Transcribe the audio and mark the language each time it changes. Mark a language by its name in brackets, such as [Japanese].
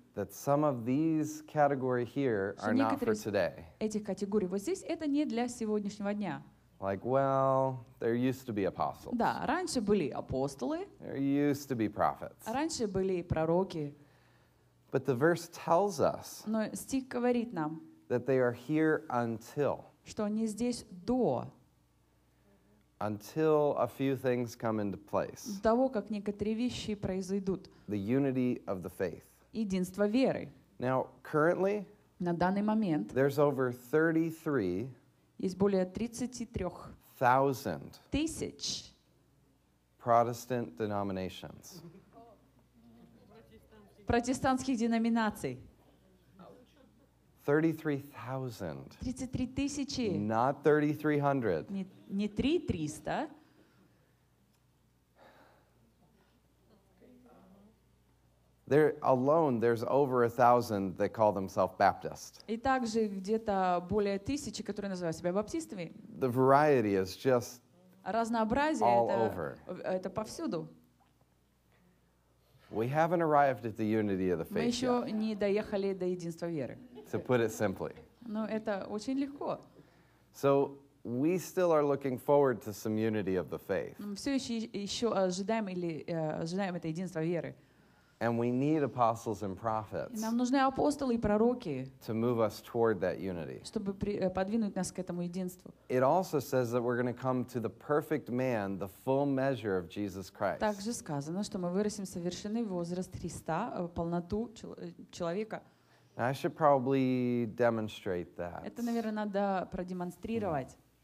[English] that some of these categories here are not for today. [Russian] Этих категорий вот здесь, это не для сегодняшнего дня. [English] Like, well, there used to be apostles. [Russian] Да, раньше были апостолы. [English] There used to be prophets. [Russian] Раньше были пророки. [English] But the verse tells us, [Russian] но стих говорит нам, [English] that they are here until. [Russian] Что они здесь до. [English] Until a few things come into place. [Russian] До того, как некоторые вещи произойдут. [English] The unity of the faith. [Russian] Единство веры. [English] Now, currently. [Russian] На данный момент. [English] There's over 33. [Russian] Есть более 33. [English] Thousand. [Russian] Тысяч. [English] Protestant denominations. [Russian] Протестантских деноминаций. [English] 33,000. [Russian] 33,000. [English] Not 3,300. [Russian] Не 3,300. [English] There alone, there's over 1,000 that call themselves Baptist. [Russian] И также где-то более тысячи, которые называют себя баптистами. [English] The variety is just [Russian] разнообразие [English] all [Russian] это, [English] over. [Russian] Это повсюду. [English] We haven't arrived at the unity of the faith. [Russian] Мы еще не доехали до единства веры. [English] To put it simply. [Russian] Но это очень легко. [English] So we still are looking forward to some unity of the faith. [Russian] Все еще ожидаем или ожидаем это единство веры. [English] And we need apostles and prophets. [Russian] Нам нужны апостолы и пророки. [English] To move us toward that unity. [Russian] Чтобы подвинуть нас к этому единству. [English] It also says that we're going to come to the perfect man, the full measure of Jesus Christ. [Russian] Также сказано, что мы вырастем совершенный возраст Христа, полноту человека. [English] I should probably demonstrate that. [Russian] Это, наверное, надо продемонстрировать.